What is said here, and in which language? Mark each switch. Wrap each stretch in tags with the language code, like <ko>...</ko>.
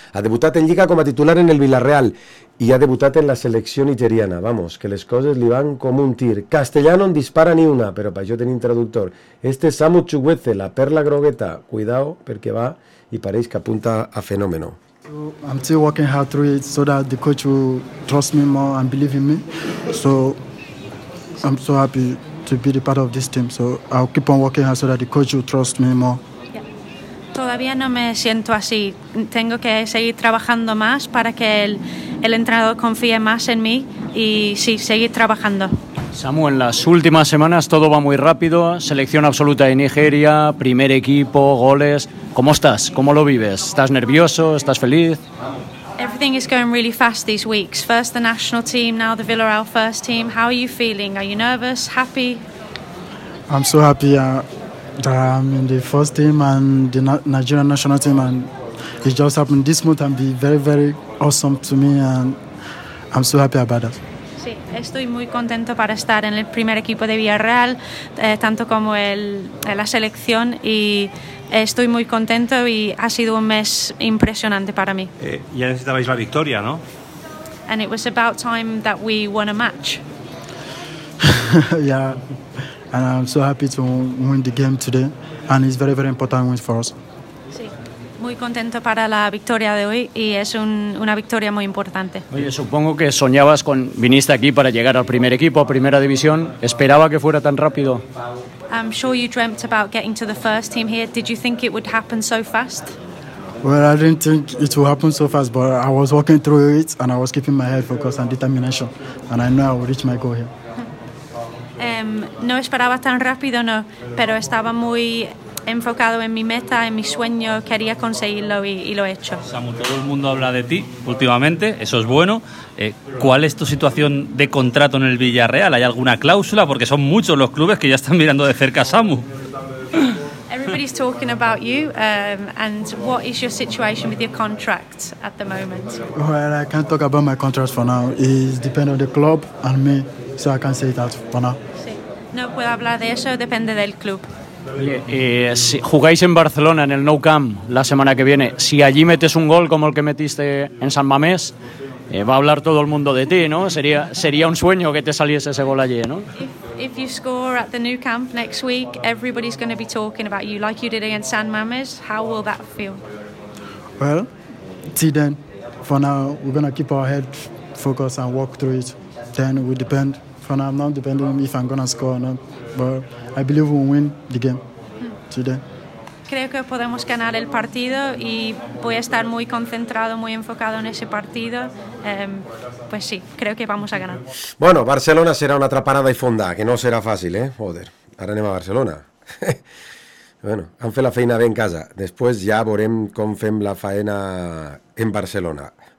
<ca>Ha debutat en Lliga com a titular en el Villarreal i ha debutat en la selecció nigeriana. Vamos, que les coses li van com un tir. Castellà no en dispara ni una, però per això tenim traductor. Este és Samu Chukwueze, la perla grogueta. Cuidao, perquè va i pareix que apunta a fenòmeno.</ca> <en>I'm still working hard through it so that the coach will trust me more and believe in me. So I'm so happy to be the part of this team, so I'll keep on working hard so that the coach will trust me more.</en> <es>Todavía no me siento así. Tengo que seguir trabajando más para que el entrenador confíe más en mí y sí, seguir trabajando. Samu, en las últimas semanas todo va muy rápido. Selección absoluta de Nigeria, primer equipo, goles. ¿Cómo estás? ¿Cómo lo vives? ¿Estás nervioso? ¿Estás feliz?</es> <en>Everything is going really fast these weeks. First the national team, now the Villarreal first team. How are you feeling? Are you nervous? Happy? I'm so happy that I'm in the first team and the Nigerian national team, and it just happened this month and be very, very awesome to me, and I'm so happy about that.</en> <es>Sí, estoy muy contento para estar en el primer equipo de Villarreal, tanto como la selección, y estoy muy contento y ha sido un mes impresionante para mí. Ya necesitabais la victoria, ¿no?</es> <en>And it was about time that we won a match. Yeah, and I'm so happy to win the game today, and it's very, very important win for us.</en> <es>Sí, muy contento para la victoria de hoy y es una victoria muy importante. Oye, supongo que soñabas con viniste aquí para llegar al primer equipo, a primera división. ¿Esperaba que fuera tan rápido?</es> <en>I'm sure you dreamt about getting to the first team here. Did you think it would happen so fast? Well, I didn't think it would happen so fast, but I was working through it and I was keeping my head focused and determination, and I know I would reach my goal here.</en> <es>No esperaba tan rápido, no, pero estaba muy enfocado en mi meta, en mi sueño, quería conseguirlo y lo he hecho. Samu, todo el mundo habla de ti últimamente, eso es bueno. ¿Cuál es tu situación de contrato en el Villarreal? ¿Hay alguna cláusula? Porque son muchos los clubes que ya están mirando de cerca a Samu.</es> <en>Everybody's talking about you, and what is your situation with your contract at the moment? Well, I can't talk about my contract for now. It depends on the club and me, so I can't say that for now.</en> <es>Sí. No puedo hablar de eso, depende del club. Si jugáis en Barcelona en el Nou Camp la semana que viene, si allí metes un gol como el que metiste en San Mamés, va a hablar todo el mundo de ti, ¿no? Sería un sueño que te saliese ese gol allí, ¿no?</es> <en>If you score at the Nou Camp next week, everybody's going to be talking about you like you did against San Mamés. How will that feel? Well, till then, for now we're going to keep our head focused and work through it. Then we depend. For now, I'm not depending on if I'm going to score or not, but I believe we'll win the game today.</en> <es>Creo que podemos ganar el partido y voy a estar muy concentrado, muy enfocado en ese partido. Pues sí, creo que vamos a ganar. Bueno, Barcelona será una atrapada y fonda, que no será fácil, ¿eh? Joder, ahora</es> <ca>anem a Barcelona. Bueno, han fet la feina bé en casa. Després ja veurem com fem la feina en Barcelona.</ca>